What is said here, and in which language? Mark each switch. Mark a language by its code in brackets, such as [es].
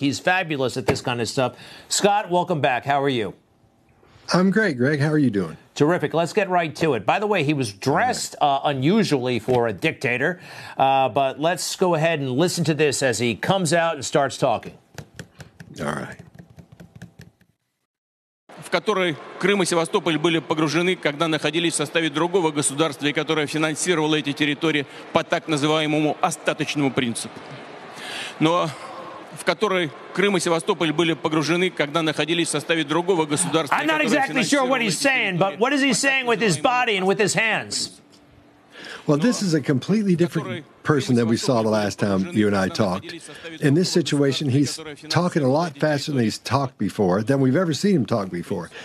[en] He's fabulous at this kind of stuff. Scott, welcome back. How are you? I'm great, Greg. How are you doing? Terrific. Let's get right to it. By the way, he was dressed unusually for a dictator, but let's go ahead and listen to this as he comes out and starts talking. [ru] В которой Крым и Севастополь были погружены, когда находились в составе другого государства, и которое финансировало эти территории по так называемому остаточному принципу. Но в которой Крым и Севастополь были погружены, когда находились в составе другого государства, [en] I'm not exactly sure what he's saying, but what is he saying with his body and with his hands? Well, this is a completely different person than we saw the last time you and I talked. In this situation, he's talking a lot faster than he's talked before, than we've ever seen him talk before.